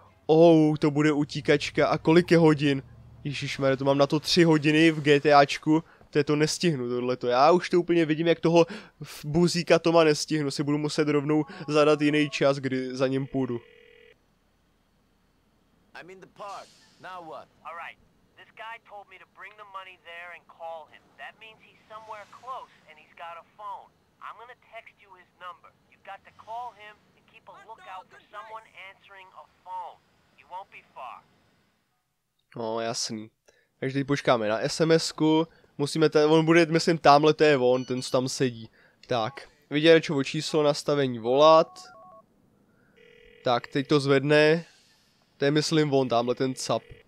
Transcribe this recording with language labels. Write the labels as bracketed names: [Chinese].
[Czech] Ou, to bude utíkačka, a kolik je hodin? Ježišmarja, to mám na to 3 hodiny v GTAčku. To je to, nestihnu tohleto. Já už to úplně vidím, jak toho buzíka Toma nestihnu. Si budu muset rovnou zadat jiný čas, kdy za ním půjdu. [English] I'm in the park. Now what? All right. This guy told me to bring the money there and call him. That means he's somewhere close and he's got a phone. I'm gonna text you his number. You've got to call him and keep a lookout for someone answering a phone. You won't be far. [Czech] No, jasný. Takže teď počkáme na SMSku. Musíme, on bude, myslím, tamhle to je on, ten, co tam sedí. Tak, vyděračovo číslo, nastavení volat. Tak, teď to zvedne. To je, myslím, on, tamhle ten cap.